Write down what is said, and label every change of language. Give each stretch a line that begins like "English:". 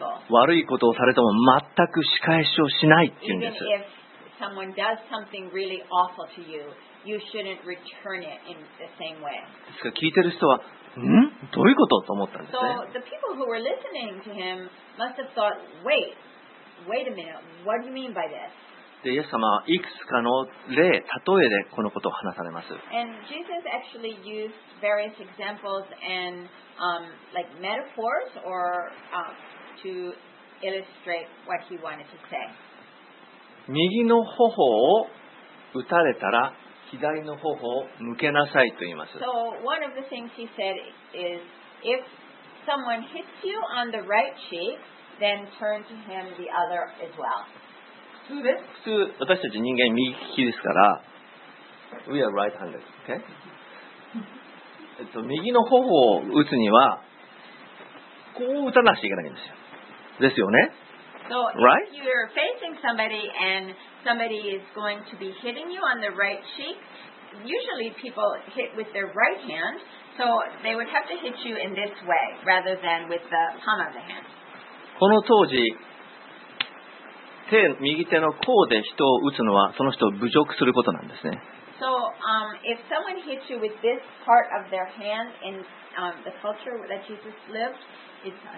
Japanese: 悪いことをされても全く仕返しをしないっていうんです。
English: Even if someone does something really awful to you, you shouldn't return it in the same way.
Japanese: ですから聞いてる人は、ん？どういうこと？と思ったんですね。
English: So the people who were listening to him must have thought, wait a minute, what do you mean by this?
Japanese: で、イエス様はいくつかの例、例えでこのことを話されます。
English: And Jesus actually used various examples andlike metaphors or to illustrate what he wanted to say.
Japanese: 右の頬を打たれたら左の頬を向けなさいと言います。
English: So one of the things he said is if someone hits you on the right cheek, then turn to him the other as well.
Japanese: 普通です。普通私たち人間右利きですから
English: We are right-handed, okay?
Japanese: 右の頬を打つにはこう打たなきゃいけないんですよ。ですよね？
English: So, right? If you're facing somebody and somebody is going to be hitting you on the right cheek, usually people hit with their right hand, so they would have to hit you in this way rather than with the palm of the hand.
Japanese: この当時右手の甲で人を打つのはその人を侮辱することなんですね。
English: So, if someone hits you with this part of their hand in the culture that Jesus lived, it's